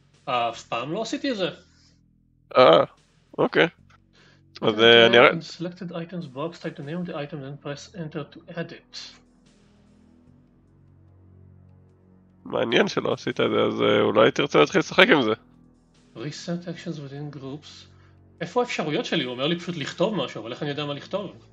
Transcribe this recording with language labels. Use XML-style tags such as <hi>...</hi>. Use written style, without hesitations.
<he>אף פעם לא עשיתי את זה. אה, אוקיי. אז אני אראה...</he> <en>In selected items box, type the name of the item and press enter to edit.</en> <he>מעניין שלא עשית את זה, אז אולי תרצה להתחיל לשחק עם זה.</he> <en>Recent actions within groups.</en> <he>איפה האפשרויות שלי? הוא אומר לי פשוט לכתוב משהו, אבל איך אני יודע מה לכתוב?</he>